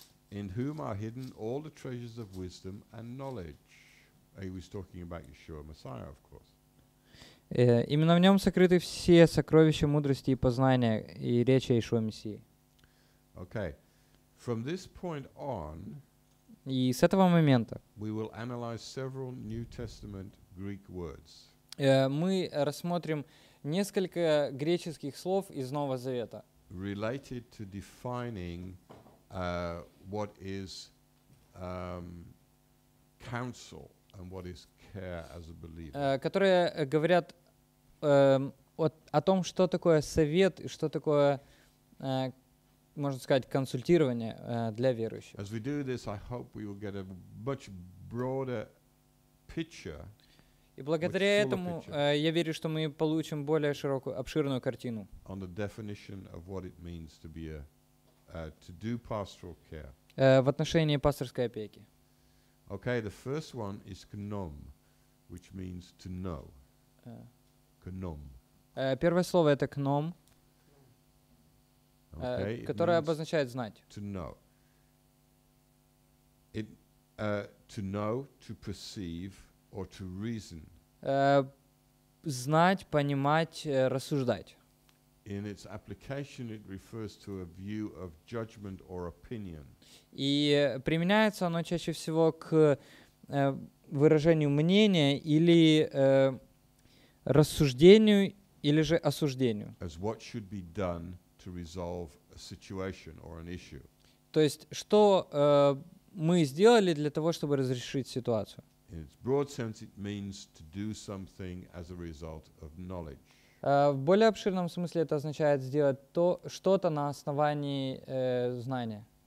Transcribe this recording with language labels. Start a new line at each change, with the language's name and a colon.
English: in whom are hidden all the treasures of wisdom and knowledge. He was talking about Yeshua, Messiah, of course.
Russian: Именно в нем сокрыты все сокровища мудрости и познания, и речи о Ишуа Мессии.
English: Okay. From this point on,
Russian: и с этого момента
English: we will analyze several New Testament Greek words.
Russian: Мы рассмотрим несколько греческих слов из Нового Завета,
English: related to defining what is counsel and what is care as a believer.
Russian: Которые говорят о том, что такое совет и что такое, можно сказать, консультирование для верующих.
English: As we do this, I hope we will get a much broader picture.
Russian: И благодаря этому я верю, что мы получим более широкую, обширную картину.
English: On the definition of what it means to be to do pastoral care.
Russian: В отношении пасторской опеки.
English: Okay, the first one is gnom, which means to know. Gnom.
Russian: Первое слово это gnom,
English: okay,
Russian: которое обозначает знать.
English: To know. It to know, to perceive, or to reason.
Russian: Знать, понимать, рассуждать.
English: In its application, it refers to a view of judgment or opinion.
Russian: И применяется оно чаще всего к выражению мнения или рассуждению или же осуждению.
English: As what should be done to resolve a situation or an issue.
Russian: То есть, что мы сделали для того, чтобы разрешить ситуацию.
English: In its broad sense, it means to do something as a result of knowledge.
Russian: В более обширном смысле это означает сделать то, что-то на основании знания.